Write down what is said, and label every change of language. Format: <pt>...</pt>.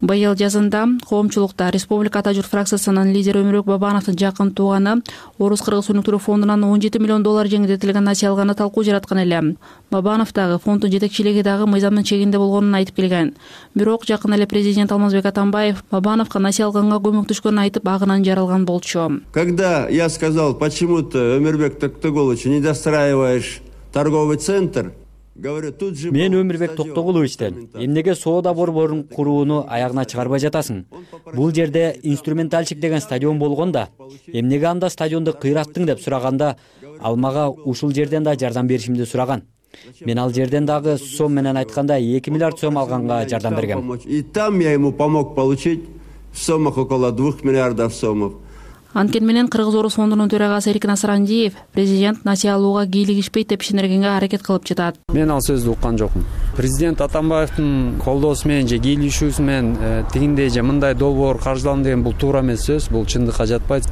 <ky>Быйыл жазында коомчулукта Республика Ата Журт фракциясынын лидери Өмүрбек Бабановдун жакын тууганы Орус Кыргыз Өнүктүрүү фондунан 17 миллион доллар жеңилдетилген насия алганы талкуу жараткан эле. Бабанов дагы фонддун жетекчилиги дагы мыйзамдын чегинде болгонун айтып келген. Бирок жакын эле президент Алмазбек Атамбаев Бабановго насия алганга көмөктөшкөнүн айтып агынан жаралган болчу.</ky> <ru>Когда я сказал, почему ты Өмүрбек Токтогулович не достраиваешь торговый центр?</ru> <ky>Мен Өмүрбек Токтогуловичтен эмнеге соода борборун курууну аягына чыгарбай жатасың? Бул жерде инструментальчик деген стадион болгон да, эмнеге анда стадионду кыйраттың деп сураганда, ал мага ушул жерден да жардам беришимди сураган. Мен ал жерден дагы сом менен айтканда 2 миллиард сом алганга жардам бергем.</ky> <ru>И там я ему помог получить в сомах около 2 миллиардов сомов.</ru> <ky>Анткени менен Кыргыз-Орус фондунун төрагасы Эрик Насрандиев президент насыялууга кийлигишпейт деп ишенергенге аракет кылып жатат. Мен ал сөздү уккан жокмун. Президент Атамбаевдин колдоосу менен же кийлигишүүсү менен тигиндей же мындай долбоор каржыланды деген бул туура эмес сөз, бул чындыкка жатпайт.</ky>